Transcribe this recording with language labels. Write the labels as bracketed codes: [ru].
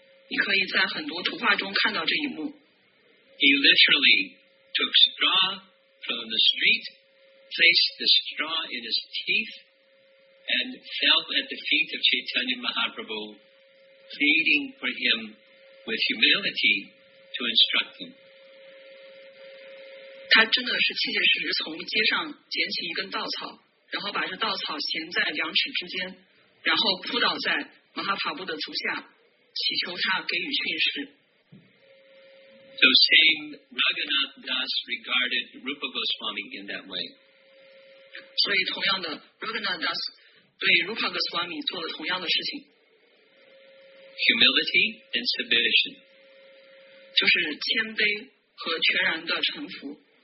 [zh] 你可以在很多图画中看到这一幕。 [en] He literally took straw from the street, placed the straw in his teeth, and fell at the feet of Chaitanya Mahaprabhu, pleading for him with humility to instruct him. [zh] 他真的是切切实实从街上捡起一根稻草，然后把这稻草衔在两尺之间，然后扑倒在马哈帕布的足下，祈求他给予训示。 [en] So same Raghunath Das regarded Rupa Goswami in that way. [zh] 所以同样的 ，Raghunath Das 对 Rupa Goswami 做了同样的事情。 [en] Humility and submission. [zh] 就是谦卑和全然的臣服。